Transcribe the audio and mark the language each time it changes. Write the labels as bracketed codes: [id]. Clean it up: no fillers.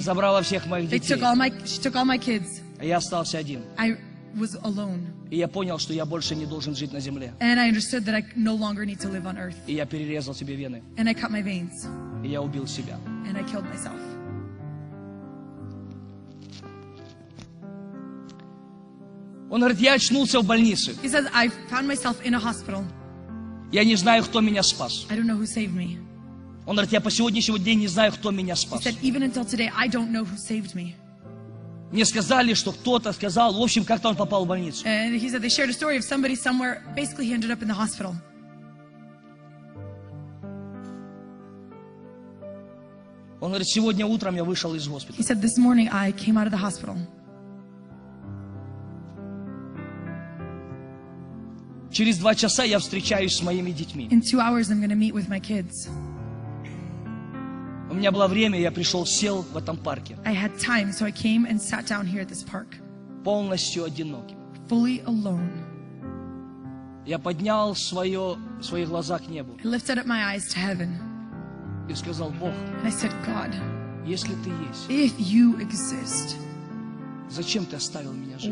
[ru] Забрала всех моих детей. [en] She took all my kids. [ru] А я остался один. [en] I was alone. [ru] И я понял, что я больше не должен жить на земле. [en] And I understood that I no longer need to live on earth. [ru] И я перерезал себе вены. [en] And I cut my veins. [ru] И я убил себя. [en] And I killed myself. [ru] Он говорит, я очнулся в больнице. [en] He says, I found myself in a hospital. [ru] Я не знаю, кто меня спас. [en] I don't know who saved me. [ru] Он говорит, я по сегодняшний день не знаю, кто меня спас. [en] He said, even until today, I don't know who saved me. [ru] Мне сказали, что кто-то сказал, в общем, как-то он попал в больницу. [en] And he said, they shared a story of somebody somewhere, basically he ended up in the hospital. [ru] Он говорит, сегодня утром я вышел из госпиталя. [en] He said, this morning I came out of the hospital. [ru] Через 2 часа я встречаюсь с моими детьми. [en] In 2 hours I'm going to meet with my kids. [ru] У меня было время, я пришел, сел в этом парке. [en] I had time, so I came and sat down here at this park. [ru] Полностью одинокий. [en] Fully alone. [ru] Я поднял свои глаза к небу. [en] I lifted up my eyes to heaven. [ru] И сказал, Бог. [en] And I said, God. [ru] Если ты есть. [en] If you exist. [ru] Зачем ты оставил меня жить?